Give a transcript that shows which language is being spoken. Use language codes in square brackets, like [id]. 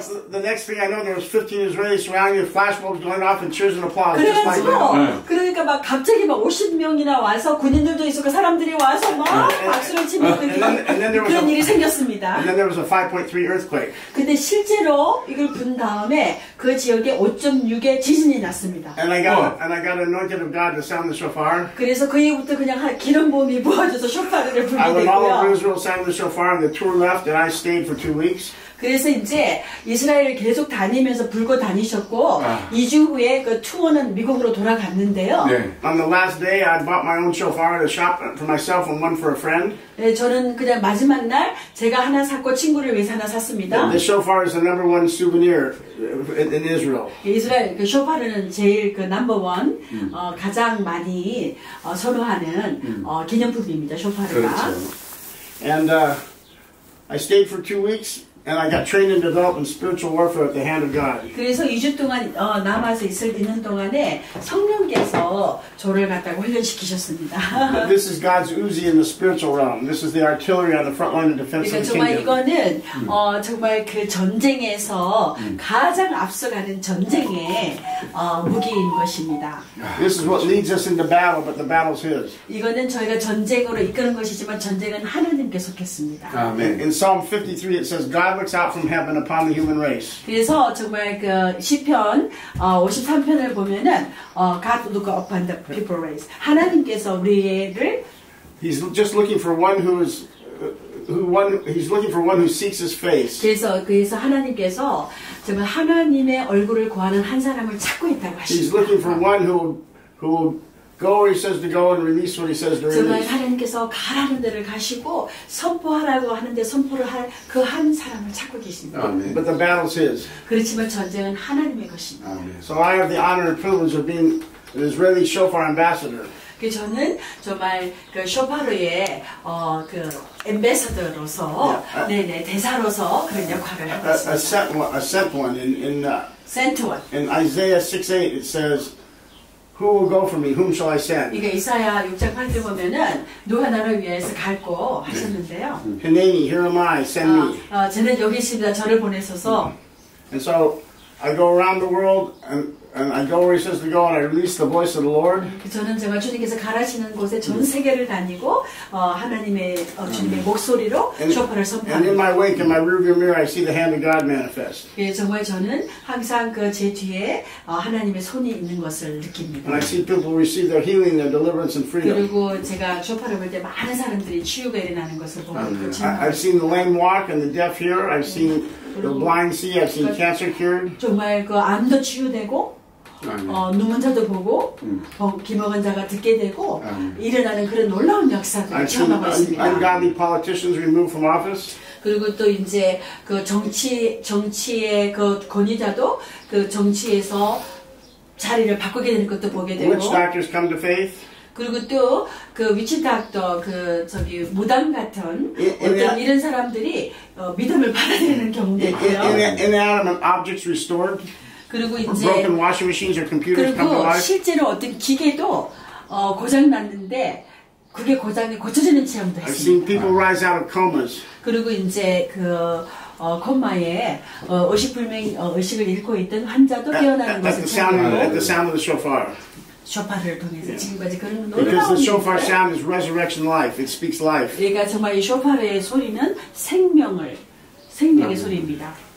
[en] 15 Israelis surrounding with flashbulbs going off and cheers and applause. [ko] 그래서, [en] just like that. [ko] 그러니까 막 갑자기 막 50명이나 와서 군인들도 있었고 사람들이 와서 막 박수를 치며 그런 일이 생겼습니다. [en] And then there was a 5.3 earthquake. [ko] 근데 실제로 이걸 분 다음에 그 지역에 5.6의 지진이 났습니다. [en] And I got anointed of God to sound the shofar. [ko] 그래서 그 이후부터 그냥 기름 부음이 부어져서 쇼파르를 불게 됐고요. [en] I went all over Israel, sang the shofar, and the tour left, and I stayed for 2 weeks. [ko] 그래서 이제 이스라엘을 계속 다니면서 불고 다니셨고 2주 후에 그 투어는 미국으로 돌아갔는데요. 네. [en] On the last day, I bought my own shofar at a shop for myself and one for a friend. [ko] 네, 저는 그냥 마지막 날 제가 하나 샀고 친구를 위해서 하나 샀습니다. [en] The shofar is the number one souvenir in Israel. [ko] 이스라엘 그 쇼파르는 제일 그 [en] number one [ko] 가장 많이 선호하는 기념품입니다. 쇼파르가. 그렇죠. [en] And I stayed for 2 weeks. And I got trained and developed in spiritual warfare at the hand of God. [ko] 그래서 2주 동안 남아서 있는 동안에 성령께서 저를 갖다가 훈련시키셨습니다. [en] This is God's Uzi in the spiritual realm. This is the artillery on the front line of defense. [ko] 그러니까 정말 이거는 정말 그 전쟁에서 가장 앞서가는 전쟁의 무기인 것입니다. [en] This is what leads us into battle, but the battle's His. [ko] 이거는 저희가 전쟁으로 이끄는 것이지만 전쟁은 하나님께 속했습니다. [en] Amen. In Psalm 53, it says God. looks out from heaven upon the human race. [ko] 그래서 정말 그 시편 53편을 보면은 [en] God look upon the people race. [ko] 하나님께서 우리를 [en] He's just looking for one who is He's looking for one who seeks His face. [ko] 그래서 하나님께서 정말 하나님의 얼굴을 구하는 한 사람을 찾고 있다고 하십니다. [en] He's looking for one who go where He says to go and release what He says to release. [ko] 정말 하나님께서 가라는 데를 가시고 선포하라고 하는데 선포를 할 그 한 사람을 찾고 계십니다. [en] Amen. But the battle's His. [ko] 그렇지만 전쟁은 하나님의 것입니다. [en] Amen. So I have the honor and privilege of being an Israeli shofar ambassador. [ko] 그 저는 정말 그 쇼파르의 그 엠베서더로서 네네 대사로서 그런 역할을 했습니다. [en] A sent one in sent one. In Isaiah 6:8 it says, "Who will go for me? Whom shall I send?" [ko] 이게 이사야 6장 8절 보면은 누가 나를 위해서 갈고 하셨는데요. [en] Hineni, here am I, send me. [ko] 저는 여기 있습니다. 저를 보내소서. [en] And so I go around the world and. And I go where He says to go, and I release the voice of the Lord. [ko] 저는 정말 주님께서 가라시는 곳에 전 세계를 다니고 하나님의 주님의 목소리로 쇼파를 선포합니다. [en] And in my wake, in my rearview mirror, I see the hand of God manifest. [ko] 예, 정말 저는 항상 그 제 뒤에 하나님의 손이 있는 것을 느낍니다. [en] And I see people receive their healing, their deliverance, and freedom. [ko] 그리고 제가 쇼파를 볼 때 많은 사람들이 치유가 일어나는 것을 보고 있습니다. [en] I've seen the lame walk and the deaf hear. I've seen the blind see. I've seen cancer cured. [ko] 정말 그 암도 치유되고 눈먼 자도 보고 기먹은 자가 듣게 되고 일어나는 그런 놀라운 역사들을 체험하고 있습니다. [en] Ungodly politicians removed from office. [ko] 그리고 또 이제 그 정치의 그 권위자도 그 정치에서 자리를 바꾸게 되는 것도 보게 되고. [en] Witch doctors come to faith. [ko] 그리고 또 그 위치 닥터 그 저기 무당 같은 어떤 이런 사람들이 믿음을 받아들이는 경우도 있고요. [en] Inanimate objects restored. [ko] 그리고 이제 [en] broken washing machines or computers come to life. [ko] 그리고 실제로 어떤 기계도 고장 났는데 그게 고장이 고쳐지는 체험도 했습니다. [en] I've seen people rise out of comas. [ko] 그리고 이제 그 콤마에 의식불명 의식을 잃고 있던 환자도 깨어나는 것을 보고 [en] at the sound of the shofar. [ko] 쇼파를 통해서 [en] yeah. [ko] 지금까지 그런 놀라운 [en] Because the shofar sound is resurrection life. It speaks life. [ko] 그러니까 정말 이 쇼파르의 소리는 생명의 소리입니다.